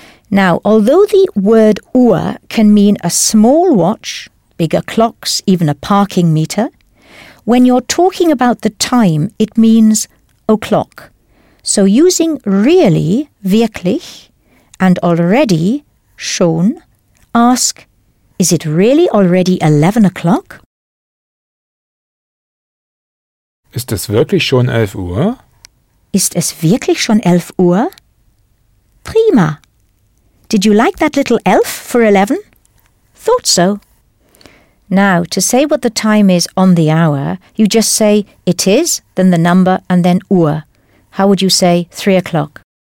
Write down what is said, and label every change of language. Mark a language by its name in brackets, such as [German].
[English] Now, although the word Uhr can mean a small watch, bigger clocks, even a parking meter, when you're talking about the time, it means o'clock. So using really, wirklich, and already, schon, ask, is it really already 11 o'clock? [German] Ist es wirklich schon 11 Uhr? Ist es wirklich schon 11 Uhr? Prima. [English] Did you like that little elf for 11? Thought so. Now, to say what the time is on the hour, you just say it is, then the number, and then Uhr. How would you say 3 o'clock?